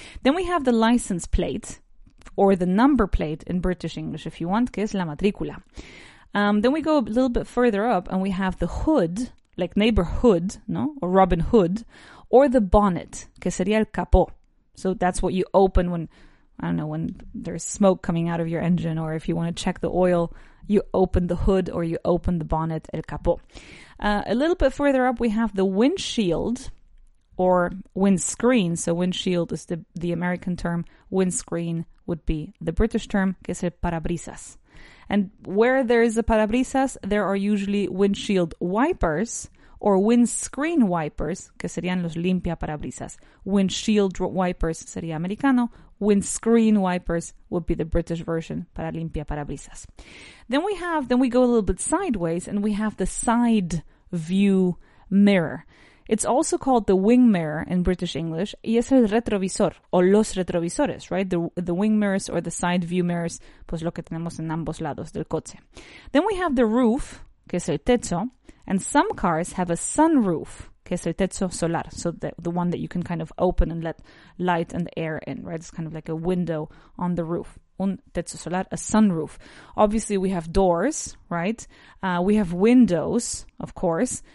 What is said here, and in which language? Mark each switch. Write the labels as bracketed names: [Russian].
[English] Then we have the license plate. Or the number plate in British English, if you want, [Spanish] que es la matrícula. [English] Then we go a little bit further up and we have the hood, like neighborhood, no? Or Robin Hood. Or the bonnet, [Spanish] que sería el capó. [English] So that's what you open when, I don't know, when there's smoke coming out of your engine. Or if you want to check the oil, you open the hood or you open the bonnet, el capó. A little bit further up, we have the windshield. Or windscreen. So windshield is the American term. Windscreen would be the British term, [Spanish] que es el parabrisas. [English] And where there is a parabrisas, there are usually windshield wipers or windscreen wipers, [Spanish] que serían los limpia parabrisas. [English] Windshield wipers [Spanish] sería americano. [English] Windscreen wipers would be the British version, [Spanish] para limpia parabrisas. [English] Then we go a little bit sideways and we have the side view mirror. It's also called the wing mirror in British English. [Spanish] Y es el retrovisor, o los retrovisores, right? [English] The wing mirrors or the side view mirrors, [Spanish] pues lo que tenemos en ambos lados del coche. [English] Then we have the roof, [Spanish] que es el techo, [English] and some cars have a sunroof, [Spanish] que es el techo solar, [English] so the one that you can kind of open and let light and air in, right? It's kind of like a window on the roof. [Spanish] Un techo solar, [English] a sunroof. Obviously, we have doors, right? We have windows, of course.